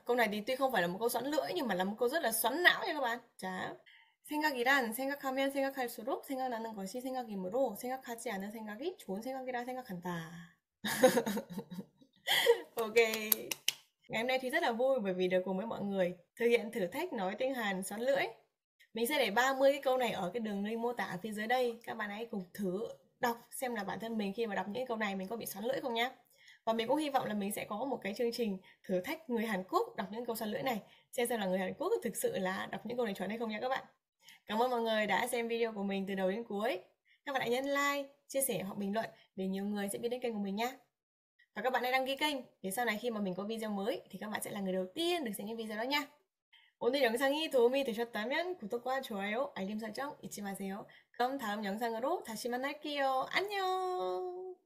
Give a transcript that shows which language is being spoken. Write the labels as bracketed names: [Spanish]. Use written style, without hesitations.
[Vietnamese] Câu này thì tuy không phải là một câu xoắn lưỡi nhưng mà là một câu rất là xoắn não nha các bạn. Chả. [Korean] 생각이란 생각하면 생각할수록 생각나는 것이 생각이므로 생각하지 않은 생각이 좋은 생각이라 생각한다. [Vietnamese] Ok. Ngày hôm nay thì rất là vui bởi vì được cùng với mọi người thực hiện thử thách nói tiếng Hàn xoắn lưỡi. Mình sẽ để 30 cái câu này ở cái đường link mô tả phía dưới đây. Các bạn hãy cùng thử đọc xem là bản thân mình khi mà đọc những câu này mình có bị xoắn lưỡi không nhé. Và mình cũng hy vọng là mình sẽ có một cái chương trình thử thách người Hàn Quốc đọc những câu xoắn lưỡi này. Xem là người Hàn Quốc thực sự là đọc những câu này chuẩn hay không nhé các bạn. Cảm ơn mọi người đã xem video của mình từ đầu đến cuối. Các bạn hãy nhấn like, chia sẻ hoặc bình luận để nhiều người sẽ biết đến kênh của mình nhé. Và các bạn hãy đăng ký kênh để sau này khi mà mình có video mới thì các bạn sẽ là người đầu tiên được xem những video đó nha. [Korean] 오늘 영상이 도움이 되셨다면 구독과 좋아요, 알림 설정 잊지 마세요. 그럼 다음 영상으로 다시 만날게요. 안녕!